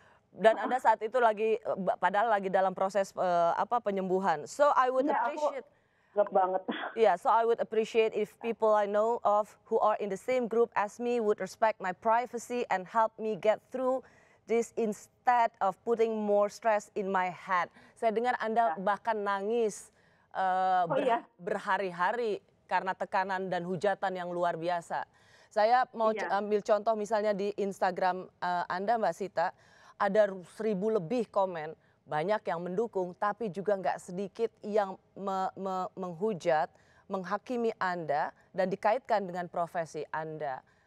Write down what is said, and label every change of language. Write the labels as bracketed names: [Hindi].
[Indonesian] Dan Anda saat itu lagi padahal lagi dalam proses penyembuhan. [English] So I would appreciate. Yeah, so I would appreciate if people I know of who are in the same group as me would respect my privacy and help me get through this instead of putting more stress in my head. [Indonesian] Saya dengar Anda bahkan nangis berhari-hari karena tekanan dan hujatan yang luar biasa. Saya mau ambil contoh misalnya di Instagram Anda, Mbak Sita, ada 1000 lebih komen. Banyak yang mendukung, tapi juga nggak sedikit yang menghujat, menghakimi Anda, dan dikaitkan dengan profesi Anda.